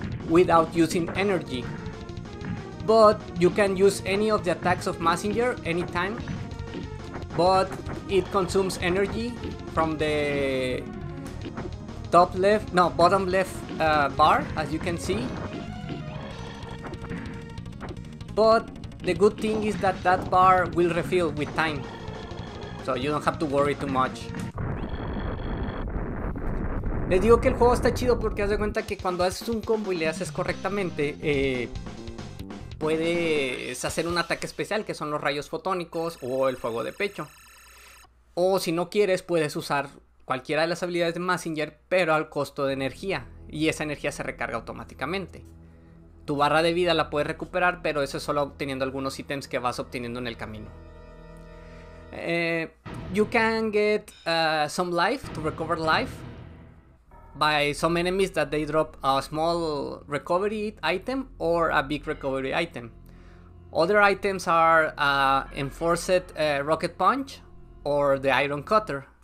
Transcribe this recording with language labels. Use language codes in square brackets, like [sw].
[en] without using energy. But you can use any of the attacks of Mazinger anytime, but it consumes energy from the top left, no, bottom left bar, as you can see. But the good thing is that that bar will refill with time, so you don't have to worry too much. [es] Les digo que el juego está chido porque haz de cuenta que cuando haces un combo y le haces correctamente, puedes hacer un ataque especial, que son los rayos fotónicos o el fuego de pecho. O si no quieres, puedes usar cualquiera de las habilidades de Mazinger, pero al costo de energía. Y esa energía se recarga automáticamente. Tu barra de vida la puedes recuperar, pero eso es solo obteniendo algunos ítems que vas obteniendo en el camino. [en] You can get some life to recover life by some enemies that they drop a small recovery item or a big recovery item. Other items are enforced rocket punch or the iron cutter.